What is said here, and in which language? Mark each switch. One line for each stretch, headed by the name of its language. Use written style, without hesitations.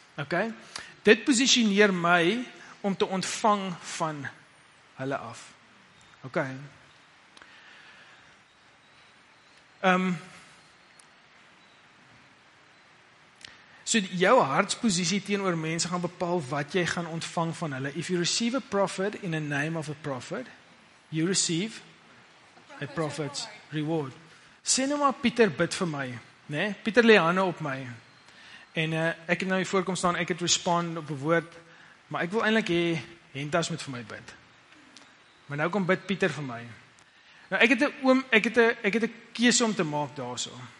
Afrikaans: Ok, dit positioneer my om te ontvang van hulle af. Ok. So jou hartsposisie teenoor mense gaan bepaal wat jy gaan ontvang van hulle.
English: If you receive a prophet in the name of a prophet, you receive a prophet's reward.
Afrikaans: Sê nou maar Pieter bid vir my. Nee? Pieter lê hande op my. En ek het nou hier voorkom staan, ek het respond op 'n woord, maar ek wil eintlik hê Hentas moet vir my bid. Maar nou kom bid Pieter vir my. Nou ek het 'n keuse om te maak daarso.